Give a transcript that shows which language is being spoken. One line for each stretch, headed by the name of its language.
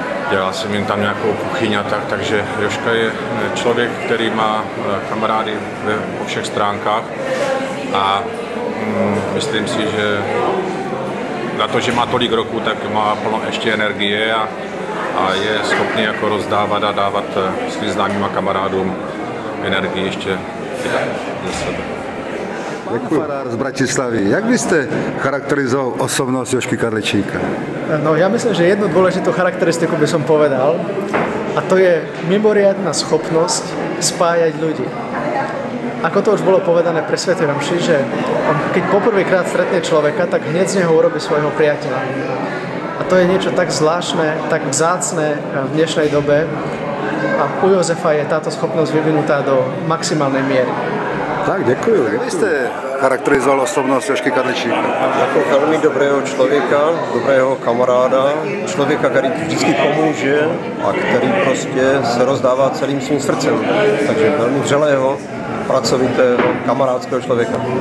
Czech: Dělal jsem jim tam nějakou kuchyň a tak, takže Joška je člověk, který má kamarády po všech stránkách a myslím si, že na to, že má tolik roku, tak má plno ještě energie a je schopný jako rozdávat a dávat svým známým a kamarádům energii ještě ze sebe. Děkuji. Pan farár z Bratislavy, jak byste charakterizoval osobnost Jošky Karlečíka? No, já myslím, že jednu důležitou charakteristiku bych povedal, a to je mimoriadná schopnost spájať lidi.
Slovak: Ako to už bylo povedané pre svätej omši, že on, keď poprvýkrát stretne člověka, tak hneď z něho urobí svojho priateľa. A to je niečo tak zvláštne, tak vzácne v dnešnej dobe a u Jozefa je táto schopnosť vyvinutá do maximálnej miery.
Czech: Tak, děkuji. Jak byste charakterizoval osobnost Jošky Karlečíka? Jako velmi dobrého člověka, dobrého kamaráda, člověka, který vždycky pomůže a který prostě se rozdává celým svým srdcem. Takže velmi vřelého, pracovitého, kamarádského člověka.